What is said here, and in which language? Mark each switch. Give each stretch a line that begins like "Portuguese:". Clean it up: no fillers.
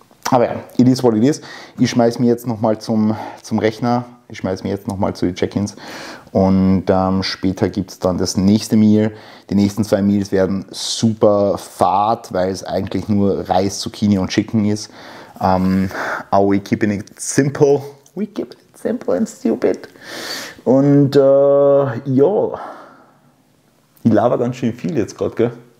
German: Aber ja,
English: it is what it is.
German: Ich schmeiß mich jetzt nochmal zum Rechner. Ich schmeiß mich jetzt nochmal zu den Check-ins. Und später gibt es dann das nächste Meal. Die nächsten 2 Meals werden super fad, weil es eigentlich nur Reis, Zucchini und Chicken ist.
English: Aber we keep it simple and stupid.
German: Und ja, ich laber ganz schön viel jetzt gerade, gell?